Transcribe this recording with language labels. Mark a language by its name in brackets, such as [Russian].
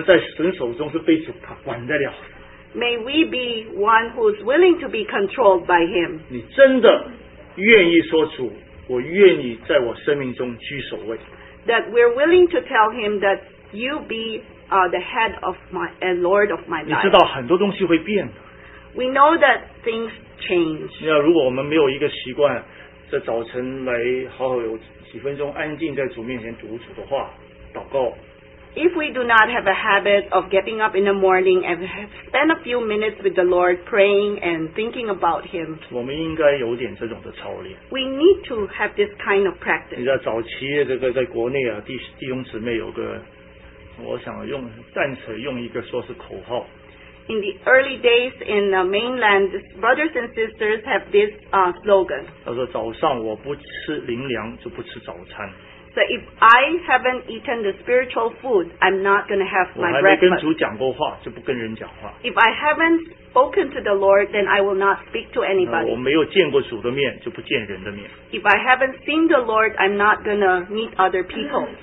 [Chinese] 所以弟兄姊妹啊,我们但愿我们在神手中是被主管得了。 [English] May we be one who's willing to be controlled by Him. [Chinese] 你真的愿意说主, 我愿意在我生命中居首位。 [English] That we're willing to tell Him that you be the head of my and Lord of my life. [Chinese] 你知道很多东西会变的。 [English] We know that things change. [Chinese] 如果我们没有一个习惯, 这早晨来好好有几分钟安静在主面前读主的话, 祷告。 [English] If we do not have a habit of getting up in the morning and spend a few minutes with the Lord praying and thinking about Him, we need to have this kind of practice. [Chinese] 你知道早期这个在国内啊, 弟兄姊妹有个, 我想用, 暂时用一个说是口号。 [English] In the early days in the mainland, brothers and sisters have this slogan. [Chinese] 他说早上我不吃灵粮就不吃早餐。 [English] So if I haven't eaten the spiritual food, I'm not going to have my breakfast. If I haven't spoken to the Lord, then I will not speak to anybody. If I haven't seen the Lord, I'm not going to meet other people.